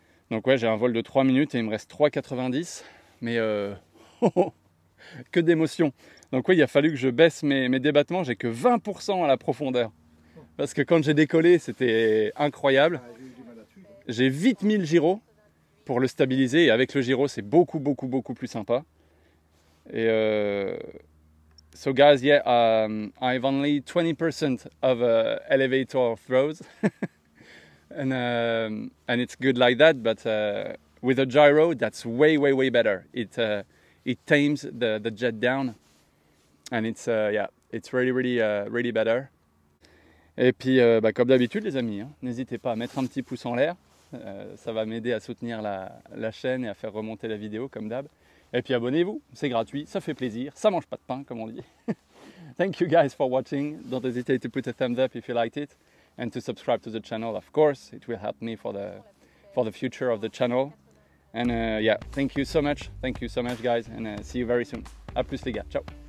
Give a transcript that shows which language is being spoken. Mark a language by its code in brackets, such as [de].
[fr] Donc ouais, j'ai un vol de 3 minutes et il me reste 3,90. Mais que d'émotion. Donc ouais, il a fallu que je baisse mes débattements, j'ai que 20% à la profondeur. Parce que quand j'ai décollé, c'était incroyable. J'ai vite mis le gyro pour le stabiliser. Et avec le gyro, c'est beaucoup, beaucoup, beaucoup plus sympa. [en] Et so guys, yeah, I've only 20% of elevator throws. and it's good like that. But with a gyro, that's way, way, way better. It tames the jet down. And it's, it's really, really, really better. [fr] Et puis, bah, comme d'habitude, les amis, hein, n'hésitez pas à mettre un petit pouce en l'air. Ça va m'aider à soutenir la chaîne et à faire remonter la vidéo, comme d'hab. Et puis, abonnez-vous, c'est gratuit, ça fait plaisir, ça mange pas de pain, comme on dit. [en] Thank you guys for watching. Don't hesitate to put a thumbs up if you liked it. And to subscribe to the channel, of course. It will help me for the future of the channel. And yeah, thank you so much. Thank you so much, guys. And see you very soon. [fr] À plus, les gars. [en] Ciao.